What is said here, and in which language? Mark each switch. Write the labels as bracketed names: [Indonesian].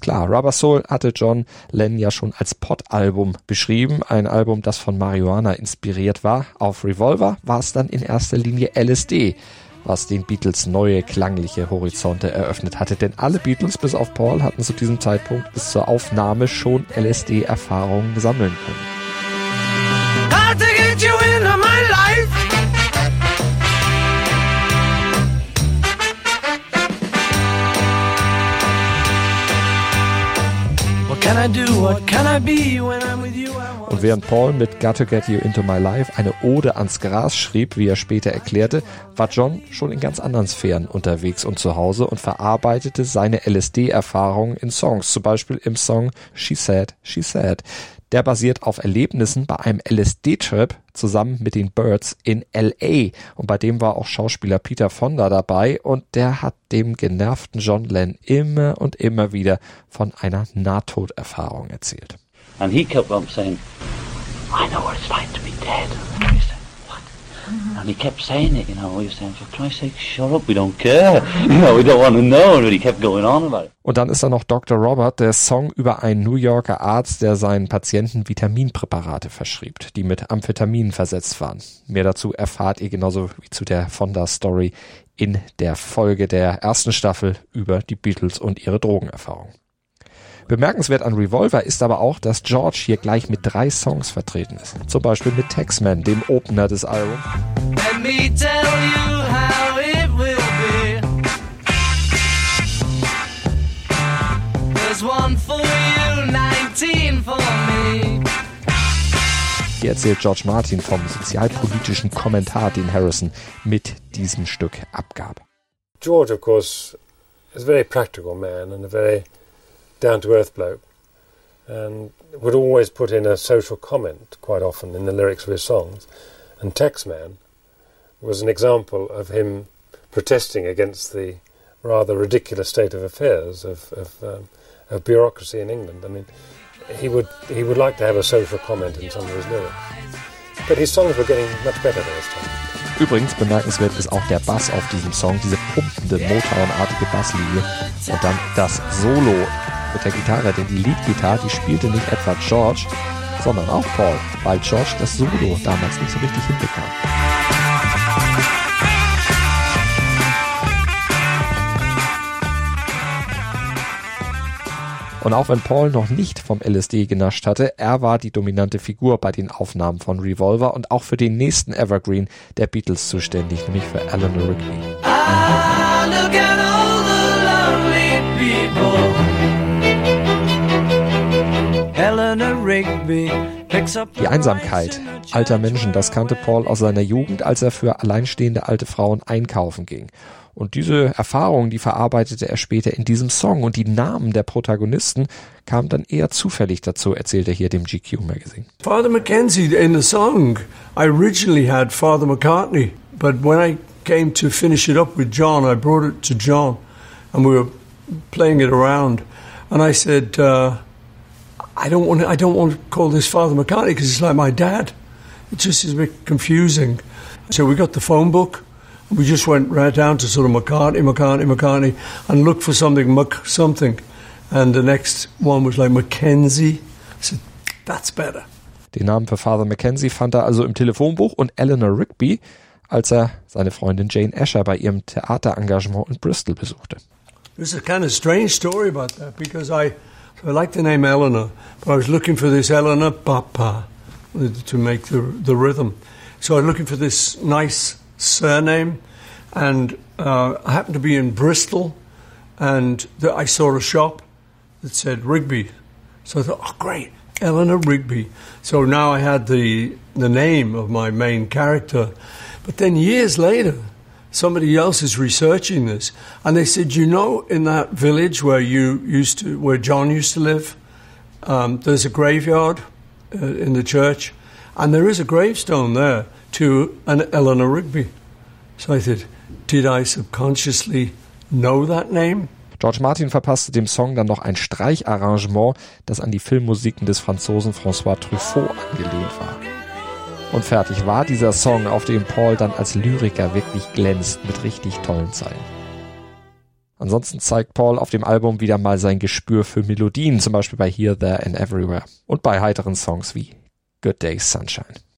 [German] Klar, Rubber Soul hatte John Lennon ja schon als Pot-Album beschrieben, ein Album, das von Marihuana inspiriert war. Auf Revolver war es dann in erster Linie LSD, was den Beatles neue klangliche Horizonte eröffnet hatte. Denn alle Beatles, bis auf Paul, hatten zu diesem Zeitpunkt bis zur Aufnahme schon LSD-Erfahrungen sammeln können. [English] Hard to get you into my life. What can I do? What can I be when I'm with you? [German] Und während Paul mit Got to Get You Into My Life eine Ode ans Gras schrieb, wie er später erklärte, war John schon in ganz anderen Sphären unterwegs und zu Hause und verarbeitete seine LSD-Erfahrungen in Songs, zum Beispiel im Song She Said, She Said. Der basiert auf Erlebnissen bei einem LSD-Trip zusammen mit den Birds in L.A. Und bei dem war auch Schauspieler Peter Fonda dabei und der hat dem genervten John Lennon immer und immer wieder von einer Nahtoderfahrung erzählt. [English] And he kept on saying, I know what it's like to be dead. And I said, what? Mm-hmm. And he kept saying it, you know, he was saying, for Christ's sake, shut up, we don't care. You know, we don't want to know. And he kept going on about it. [German] Und dann ist da noch Dr. Robert, der Song über einen New Yorker Arzt, der seinen Patienten Vitaminpräparate verschrieb, die mit Amphetaminen versetzt waren. Mehr dazu erfahrt ihr genauso wie zu der Fonda-Story in der Folge der ersten Staffel über die Beatles und ihre Drogenerfahrung. Bemerkenswert an Revolver ist aber auch, dass George hier gleich mit 3 Songs vertreten ist. Zum Beispiel mit Taxman, dem Opener des Albums. [English] Let me tell you how it will be. There's one for you, 19 for me. [German] Hier erzählt George Martin vom sozialpolitischen Kommentar, den Harrison mit diesem Stück abgab. [English] George, of course, is a very practical man and a very down-to-earth bloke, and would always put in a social comment quite often in the lyrics of his songs. And Taxman was an example of him protesting against the rather ridiculous state of affairs of bureaucracy in England. I mean, he would like to have a social comment in some of his lyrics, but his songs were getting much better by this time. [German] Übrigens bemerkenswert ist auch der Bass auf diesem Song, diese pumpende Motown-artige Basslinie und dann das Solo mit der Gitarre, denn die Lead-Gitarre, die spielte nicht etwa George, sondern auch Paul, weil George das Solo damals nicht so richtig hinbekam. Und auch wenn Paul noch nicht vom LSD genascht hatte, er war die dominante Figur bei den Aufnahmen von Revolver und auch für den nächsten Evergreen der Beatles zuständig, nämlich für Alan Rickman. Die Einsamkeit alter Menschen, das kannte Paul aus seiner Jugend, als er für alleinstehende alte Frauen einkaufen ging. Und diese Erfahrung, die verarbeitete er später in diesem Song. Und die Namen der Protagonisten kamen dann eher zufällig dazu, erzählt er hier dem GQ Magazine. [English] Father McKenzie in the song, I originally had Father McCartney. But when I came to finish it up with John, I brought it to John. And we were playing it around. And I said, I don't want to call this Father McCartney because it's like my dad. It just is a bit confusing. So we got the phone book. We just went right down to sort of McCartney, and looked for something, something. And the next one was like McKenzie. I said, that's better. [German] Den Namen für Father McKenzie fand er also im Telefonbuch und Eleanor Rigby, als er seine Freundin Jane Asher bei ihrem Theaterengagement in Bristol besuchte. [English] This is a kind of strange story about that, because I like the name Eleanor, but I was looking for this Eleanor Papa to make the rhythm. So I was looking for this nice surname, and I happened to be in Bristol, and I saw a shop that said Rigby. So I thought, oh great, Eleanor Rigby. So now I had the name of my main character. But then years later, somebody else is researching this, and they said, you know, in that village where John used to live, there's a graveyard in the church, and there is a gravestone there to an Eleanor Rigby. So I said, did I subconsciously know that name? [German] George Martin verpasste dem Song dann noch ein Streicharrangement, das an die Filmmusiken des Franzosen François Truffaut angelehnt war. Und fertig war dieser Song, auf dem Paul dann als Lyriker wirklich glänzt mit richtig tollen Zeilen. Ansonsten zeigt Paul auf dem Album wieder mal sein Gespür für Melodien, zum Beispiel bei Here, There and Everywhere und bei heiteren Songs wie Good Day Sunshine.